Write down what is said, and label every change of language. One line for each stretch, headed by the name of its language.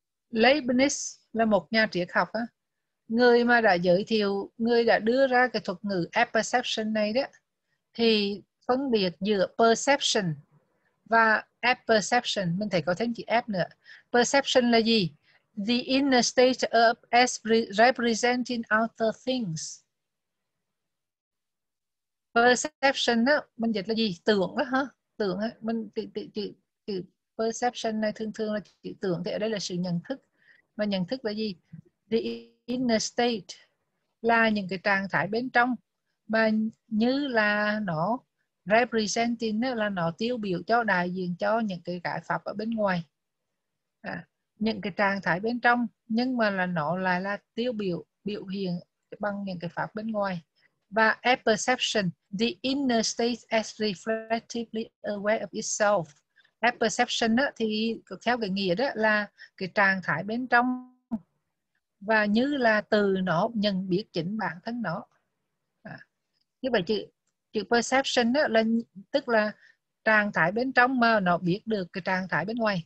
Vietnamese: Leibniz là một nhà triết học á, người mà đã giới thiệu, người đã đưa ra cái thuật ngữ apperception này đó, thì phân biệt giữa perception và apperception. Mình thấy có thêm chữ app nữa. Perception là gì?
English: The inner state of as representing outer things.
Vietnamese: Perception á, mình dịch là gì? Tưởng đó hả? Tưởng á, mình chữ perception này thường thường là chữ tưởng, thì ở đây là sự nhận thức. Mà nhận thức là gì?
English: The inner state
Vietnamese: là những cái trạng thái bên trong mà như là nó representing, là nó tiêu biểu cho, đại diện cho những cái giải pháp ở bên ngoài, những cái trạng thái bên trong, nhưng mà là nó lại là tiêu biểu, biểu hiện bằng những cái pháp bên ngoài.
English: Và apperception, the inner state as reflectively aware of itself.
Vietnamese: Apperception thì theo cái nghĩa đó là cái trạng thái bên trong, và như là từ nó nhận biết chính bản thân nó. Như vậy chữ perception đó là tức là trạng thái bên trong mà nó biết được cái trạng thái bên ngoài.